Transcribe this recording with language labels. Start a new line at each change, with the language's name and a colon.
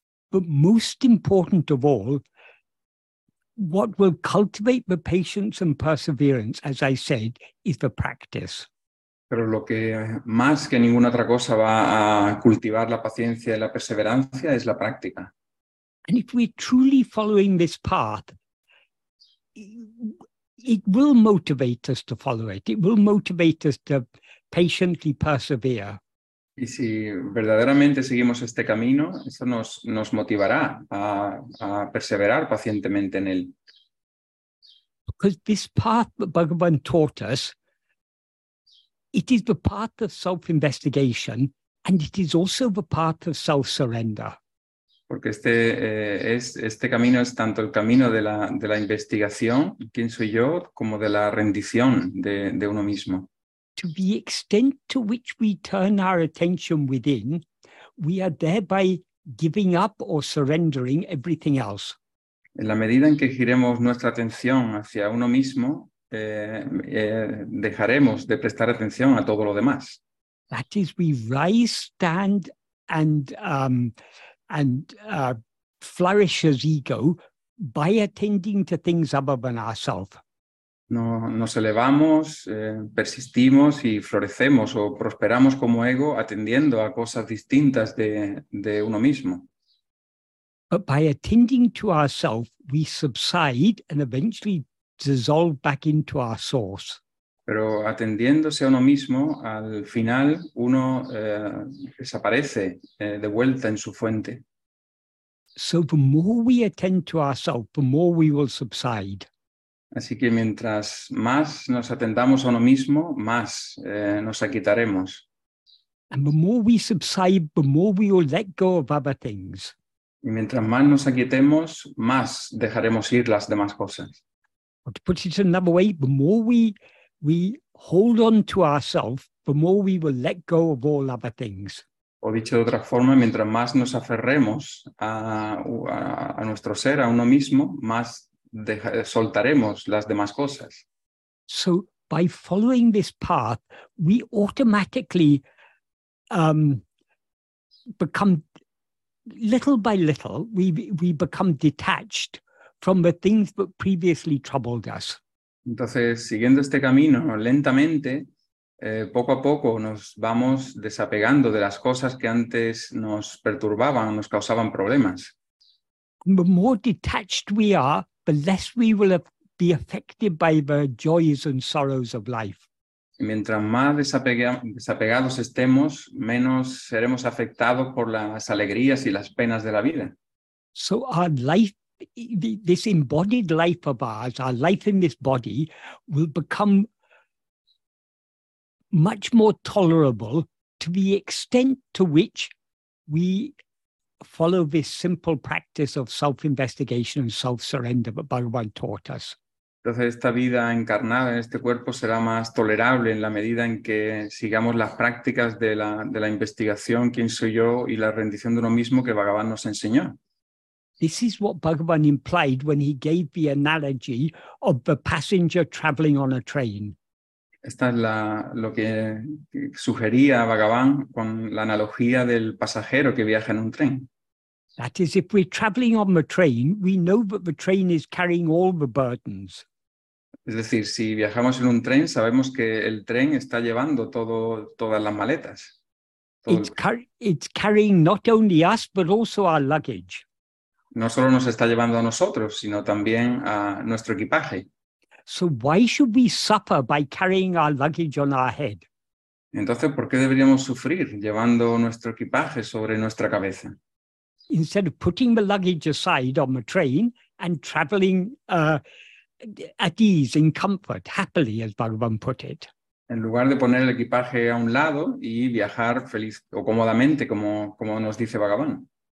English: But most important of all, what will cultivate the patience and perseverance, as I said, is the practice.
Spanish: Pero lo que más que ninguna otra cosa va a cultivar la paciencia y la perseverancia es la práctica.
English: And if we're truly following this path, it will motivate us to follow it. It will motivate us to patiently persevere.
Spanish: Y si verdaderamente seguimos este camino, eso nos motivará a perseverar pacientemente en él.
English: Because this path that Bhagavan taught us, it is the path of self-investigation, and it is also the path of self-surrender.
Spanish: Porque este camino es tanto el camino de la investigación, quién soy yo, como de la rendición de uno mismo.
English: To the extent to which we turn our attention within, we are thereby giving up or surrendering everything else.
Spanish: En la medida en que giremos nuestra atención hacia uno mismo, dejaremos de prestar atención a todo lo demás.
English: That is, we rise, stand, and flourish as ego by attending to things other than ourselves.
Spanish: Nos elevamos, persistimos y florecemos o prosperamos como ego atendiendo a cosas distintas de uno mismo.
English: But by attending to ourselves, we subside and eventually dissolve back into our source.
Spanish: Pero atendiéndose a uno mismo, al final uno desaparece de vuelta en su fuente.
English: So the more we attend to ourselves, the more we will subside.
Spanish: Así que mientras más nos atendamos a uno mismo, más nos aquietaremos.
English: And the more we subside, the more we will let go of other things.
Spanish: Y mientras más nos aquietemos, más dejaremos ir las demás cosas.
English: Or to put it another way, the more we hold on to ourselves, the more we will let go of all other things.
Spanish: O dicho de otra forma, mientras más nos aferremos a nuestro ser, a uno mismo, más soltaremos las demás cosas.
English: So, by following this path, we automatically become, little by little, we become detached from the things that previously troubled us.
Spanish: Entonces, siguiendo este camino, lentamente, poco a poco nos vamos desapegando de las cosas que antes nos perturbaban, nos causaban problemas.
English: The more detached we are, the less we will be affected by the joys and sorrows of life.
Spanish: Y mientras más desapegados estemos, menos seremos afectados por las alegrías y las penas de la vida.
English: So our life, this embodied life of ours, our life in this body, will become much more tolerable to the extent to which we follow this simple practice of self-investigation and self-surrender that Bhagavan taught us.
Spanish: Entonces, esta vida encarnada en este cuerpo será más tolerable en la medida en que sigamos las prácticas de la investigación, quién soy yo, y la rendición de uno mismo que Bhagavan nos enseñó.
English: This is what Bhagavan implied when he gave the analogy of the passenger traveling on a train.
Spanish: Esta es lo que sugería Bhagavan con la analogía del pasajero que viaja en un tren.
English: That is, if we're traveling on the train, we know that the train is carrying all the burdens.
Spanish: Es decir, si viajamos en un tren, sabemos que el tren está llevando todas las maletas.
English: It's carrying not only us, but also our luggage.
Spanish: No solo nos está llevando a nosotros, sino también a nuestro equipaje.
English: So why should we suffer by carrying our luggage on our head?
Spanish: Entonces, ¿por qué deberíamos sufrir llevando nuestro equipaje sobre nuestra cabeza?
English: Instead of putting the luggage aside on the train and traveling at ease, in comfort, happily, as Bhagavan put it.
Spanish: En lugar de poner el equipaje a un lado y viajar feliz o cómodamente, como nos dice Bhagavan.